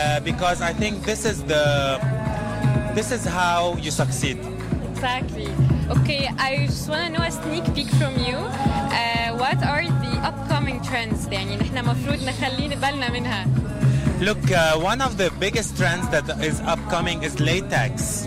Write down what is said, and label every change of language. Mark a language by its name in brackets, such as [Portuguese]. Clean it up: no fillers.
[English] Because I think this is the this is how you succeed. Exactly. Okay, I just want to know a sneak peek from you. What are the upcoming trends? [Arabic] يعني نحنا مفروض نخلين بالنا منها. [English] Look, one of the biggest trends that is upcoming is latex.